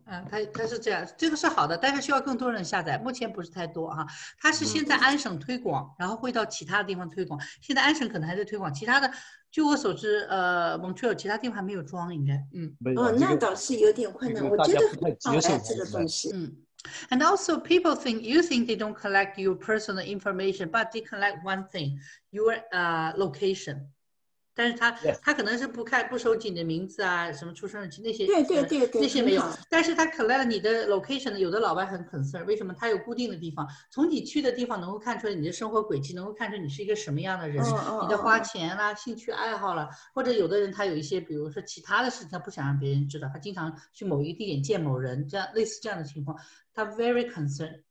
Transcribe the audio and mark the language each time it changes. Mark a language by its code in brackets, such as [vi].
[zh] 它是这样，这个是好的，但是需要更多人下载，目前不是太多哈。它是先在安省推广，然后会到其他的地方推广。现在安省可能还在推广，其他的，据我所知，蒙特利尔其他地方还没有装，应该。嗯。哦，那倒是有点困难，我觉得好爱这个东西。 [en] And also, people think you think they don't collect your personal information, but they collect one thing, your location. [zh] 但是他可能是不看不收集你的名字啊，什么出生日期那些，对对对对，那些没有。但是他 collect 你的 location， 有的老外很 concerned， 为什么？他有固定的地方，从你去的地方能够看出来你的生活轨迹，能够看出你是一个什么样的人，你的花钱啦、啊、兴趣爱好啦，或者有的人他有一些，比如说其他的事情，他不想让别人知道，他经常去某一个地点见某人，这样类似这样的情况，他 [en] very concerned。